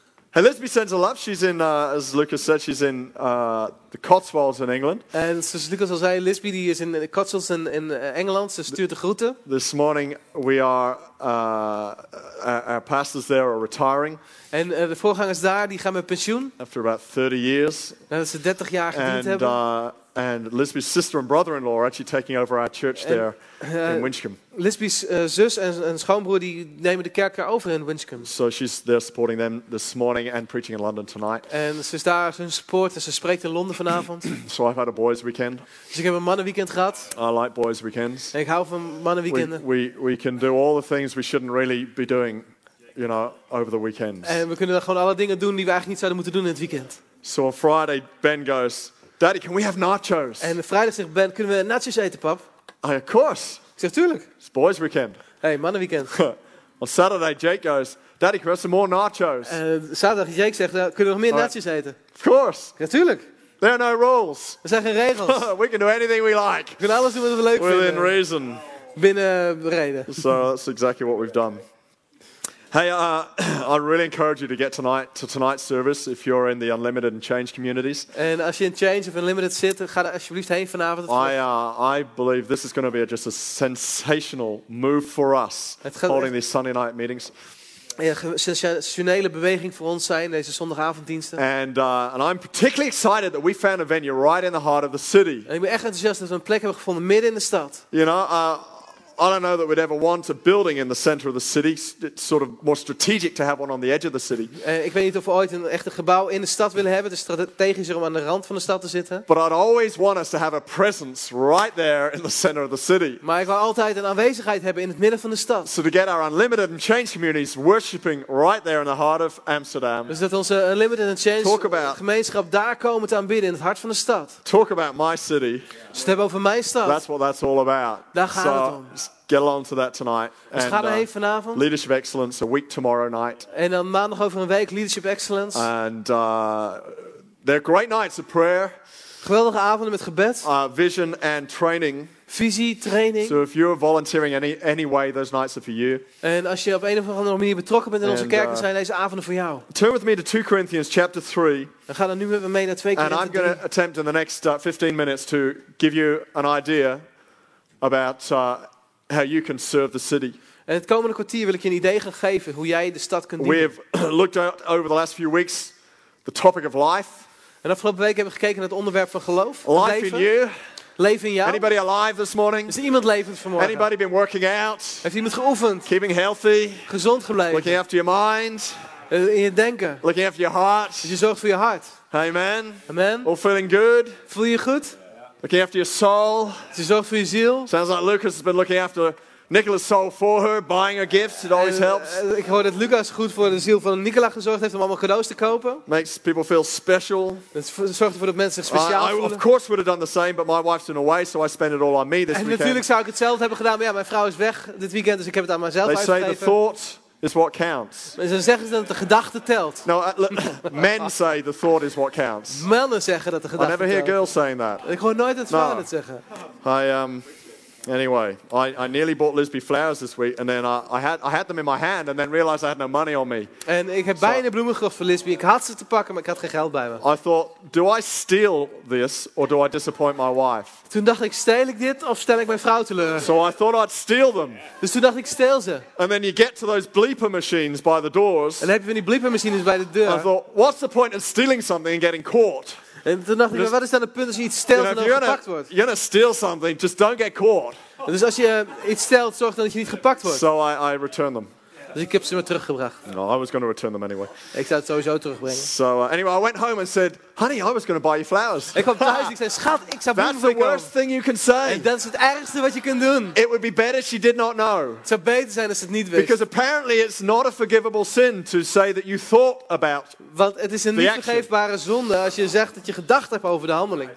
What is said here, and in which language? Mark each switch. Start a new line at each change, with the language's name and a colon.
English: Hey, Lesbie sends her love. She's in, as Lucas said, she's in the Cotswolds in England.
Dutch: En zoals Lucas al zei, Lesbie die is in de Cotswolds in Engeland. Ze stuurt de groeten.
English: This morning we are our pastors there are retiring.
Dutch: En de voorgangers daar die gaan met pensioen.
English: After about 30 years.
Dutch: Nadat ze 30 jaar gediend hebben.
English: And Lesbie's sister and brother-in-law are actually taking over our church there in Winchcombe.
Dutch: Lesbie's zus en schoonbroer die nemen de kerk over in Winchcombe.
English: So she's there supporting them this morning and preaching in London tonight.
Dutch: En ze is daar hun support en ze spreekt in Londen vanavond.
English: So I've had a boys' weekend.
Dutch: Dus ik heb een mannenweekend gehad.
English: I like boys' weekends.
Dutch: En ik hou van mannenweekenden.
English: We can do all the things we shouldn't really be doing, you know, over the weekend.
Dutch: En we kunnen dan gewoon alle dingen doen die we eigenlijk niet zouden moeten doen in het weekend.
English: So on Friday Ben goes. Daddy, can we have nachos?
Dutch: En vrijdag zegt Ben, kunnen we nachos eten, pap?
English: Oh, of course.
Dutch: Ik zeg, tuurlijk.
English: It's boys' weekend.
Dutch: Hey, mannenweekend.
English: On Saturday, Jake goes, Daddy, can we have some more nachos?
Dutch: En zaterdag, Jake zegt, kunnen we nog meer nachos eten?
English: Of course.
Dutch: Natuurlijk. Ja,
English: There are no rules.
Dutch: Er zijn geen regels.
English: We can do anything we like.
Dutch: We kunnen alles doen wat we leuk
English: Within
Dutch: vinden.
English: Reason.
Dutch: Binnen reden.
English: So that's exactly what we've done. Hey, I really encourage you to get tonight to tonight's service if you're in the Unlimited and Change communities.
Dutch: En als je in Change of Unlimited zit, ga er alsjeblieft heen vanavond.
English: I believe this is going to be just a sensational move for us holding these Sunday night meetings.
Dutch: Ja, sensationele beweging voor ons zijn deze zondagavonddiensten.
English: And I'm particularly excited that we found a venue right in the heart of the city.
Dutch: En ik ben echt enthousiast dat we een plek hebben gevonden midden in de stad.
English: You know, I don't know that we'd ever want a building in the center of the city. It's sort of more strategic to have one on the edge of the city.
Dutch: Ik weet niet of we ooit een echte gebouw in de stad willen hebben. Het is strategischer om aan de rand van de stad te zitten.
English: But I'd always want us to have a presence right there in the center of the city.
Dutch: Maar ik wil altijd een aanwezigheid hebben in het midden van de stad.
English: So to get our Unlimited and Change communities worshiping right there in the heart of Amsterdam.
Dutch: Dus dat onze Unlimited and Change gemeenschap daar komen te aanbidden in het hart van de stad.
English: Talk about my city.
Dutch: Dus het hebben over mijn stad.
English: That's what that's all about.
Dutch: Daar gaat het om.
English: Get along to that tonight.
Dutch: Dus ga er heen vanavond.
English: Leadership Excellence, a week tomorrow night.
Dutch: En dan maandag over een week, Leadership Excellence.
English: And they're great nights of prayer.
Dutch: Geweldige avonden met gebed.
English: Vision and training.
Dutch: Visie, training.
English: So if you're volunteering any way, those nights are for you.
Dutch: En als je op een of andere manier betrokken bent in onze kerk, dan zijn deze avonden voor jou.
English: Turn with me to 2 Corinthians chapter 3.
Dutch: Dan gaan we nu met me mee naar 2 Corinthians 3.
English: And I'm going to attempt in the next 15 minutes to give you an idea about... how you can serve the city.
Dutch: En het komende kwartier wil ik je een idee gaan geven hoe jij de stad kunt dienen.
English: We have looked at over the last few weeks the topic of life.
Dutch: En afgelopen week hebben we gekeken naar het onderwerp van geloof.
English: Life in you.
Dutch: Leven in jou.
English: Anybody alive this morning?
Dutch: Is iemand levend vanmorgen?
English: Anybody been working out?
Dutch: Heeft iemand geoefend?
English: Keeping healthy.
Dutch: Gezond gebleven.
English: Looking after your mind.
Dutch: In je denken.
English: Looking after your heart.
Dutch: Dat je zorgt voor je hart.
English: Amen.
Dutch: Amen.
English: All feeling good.
Dutch: Voel je goed?
English: Looking after your soul.
Dutch: Ze zorgt voor je ziel.
English: Sounds like Lucas has been looking after Nicola's soul for her, buying her gifts. It always helps.
Dutch: Ik hoor dat Lucas goed voor de ziel van Nicola gezorgd heeft om allemaal cadeaus te kopen.
English: Makes people feel special.
Dutch: Het zorgt ervoor dat mensen zich speciaal voelen.
English: I of course would have done the same, but my wife's been away, so I spend it all on me this weekend.
Dutch: En natuurlijk zou ik hetzelfde hebben gedaan, maar ja, mijn vrouw is weg dit weekend, dus ik heb het aan mezelf uitgegeven.
English: They say the thought is what counts.
Dutch: Ze zeggen dat de gedachte telt.
English: No, men say the thought is what counts.
Dutch: Mannen zeggen dat de gedachte telt.
English: I never hear girls saying that.
Dutch: Ik hoor nooit het vrouwen het zeggen.
English: Anyway, I nearly bought Lisby flowers this week, and then I had them in my hand, and then realized I had no money on me.
Dutch: En ik heb bijna bloemen gekocht voor Lisby. Ik had ze te pakken, maar ik had geen geld bij me.
English: I thought, do I steal this or do I disappoint my wife?
Dutch: Toen dacht ik, steel ik dit of stel ik mijn vrouw teleur?
English: So I thought I'd steal them.
Dutch: Dus toen dacht ik, steel ze.
English: And then you get to those bleeper machines by the doors.
Dutch: En dan heb je van die bleeper machines bij de deur.
English: I thought, what's the point of stealing something and getting caught?
Dutch: En toen dacht ik, wat is dan het punt als je iets steelt en dan gepakt wordt?
English: You're gonna steal something, just don't get caught.
Dutch: Dus als je iets steelt, zorg dan dat je niet gepakt wordt.
English: So I return them.
Dutch: Dus ik heb ze me teruggebracht.
English: No, I was gonna return them anyway.
Dutch: Ik zou het sowieso terugbrengen.
English: So anyway, I went home and said, honey, I was gonna buy you flowers.
Dutch: Ik kwam thuis en ik zei, schat, ik zou bloemen voor je.
English: That's the worst thing you can say.
Dutch: En dat is het ergste wat je kunt doen.
English: It would be better she did not know.
Dutch: Het zou beter zijn als ze het niet wist.
English: Because apparently it's not a forgivable sin to say that you thought about.
Dutch: Want het is een niet vergeefbare zonde als je zegt dat je gedacht hebt over de handeling.